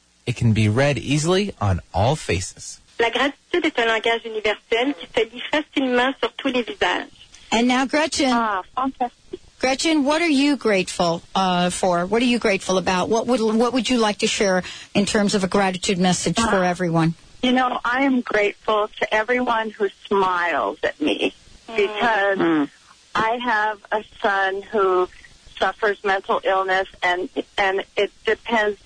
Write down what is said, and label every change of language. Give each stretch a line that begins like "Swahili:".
English: It can be read easily on all faces.
French: La gratitude est un langage universel qui se lit facilement sur tous les visages.
English: And now, Gretchen. Ah, fantastic. Gretchen, what are you grateful for? What are you grateful about? What would you like to share in terms of a gratitude message for everyone? You know, I am grateful to everyone who smiles at me because I have a son who suffers mental illness, and it depends.